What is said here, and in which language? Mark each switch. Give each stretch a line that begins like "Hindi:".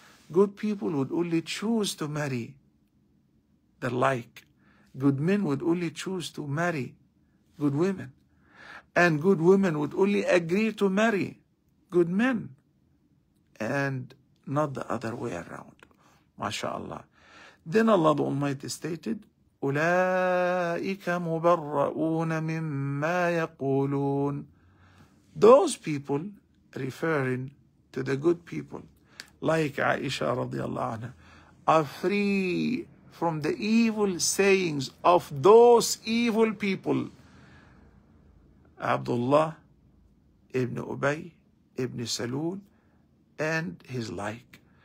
English: Good people would only choose to marry the like. Good men would only choose to marry good women. And good women would only agree to marry good men. And not the other way around. MashaAllah. Then Allah the Almighty stated,
Arabic: أولئك مبرؤون مما يقولون.
English: Those people, referring to the good people like Aisha
Arabic: رضي الله عنها,
English: are free from the evil sayings of those evil people, Abdullah ibn Ubay ibn Salul and his like.